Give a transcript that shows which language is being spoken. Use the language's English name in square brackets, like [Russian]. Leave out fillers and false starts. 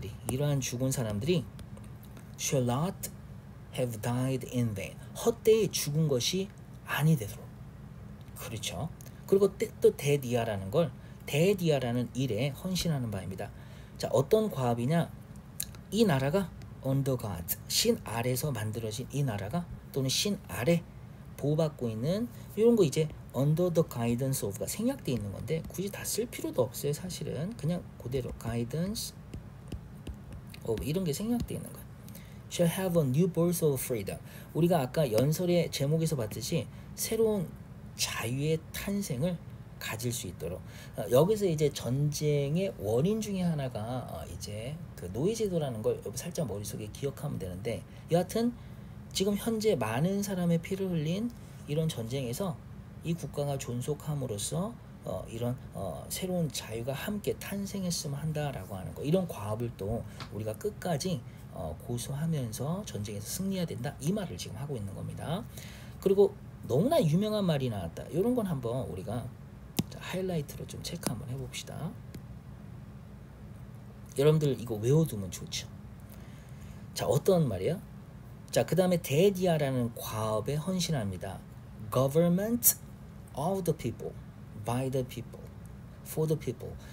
[Korean] 이러한 죽은 사람들이 [English] shall not have died in vain. [Korean] 헛되이 죽은 것이 아니되도록. 그렇죠. 그리고 또 데디아라는 걸 데디아라는 일에 헌신하는 바입니다. 자, 어떤 과업이냐? 이 나라가 [English] under God, [Korean] 신 아래서 만들어진 이 나라가 또는 신 아래 보호받고 있는 이런 거 이제 [English] under the guidance of [Korean] 가 생략돼 있는 건데 굳이 다쓸 필요도 없어요. 사실은 그냥 그대로 [English] guidance of [Korean] 이런 게 생략돼 있는 거야. [English] Shall have a new birth of freedom. [Korean] 우리가 아까 연설의 제목에서 봤듯이 새로운 자유의 탄생을 가질 수 있도록. 여기서 이제 전쟁의 원인 중에 하나가 이제 그 노예제도라는 걸 살짝 머릿속에 기억하면 되는데 여하튼 지금 현재 많은 사람의 피를 흘린 이런 전쟁에서 이 국가가 존속함으로써 이런 새로운 자유가 함께 탄생했으면 한다라고 하는 거. 이런 과업을 또 우리가 끝까지 고수하면서 전쟁에서 승리해야 된다. 이 말을 지금 하고 있는 겁니다. 그리고 너무나 유명한 말이 나왔다. 이런 건 한번 우리가 하이라이트로 좀 체크 한번 해봅시다. 여러분들 이거 외워두면 좋죠. 자, 어떤 말이야? 자, 그 다음에 데디아라는 과업에 헌신합니다. [English] Government of the people, by the people, for the people.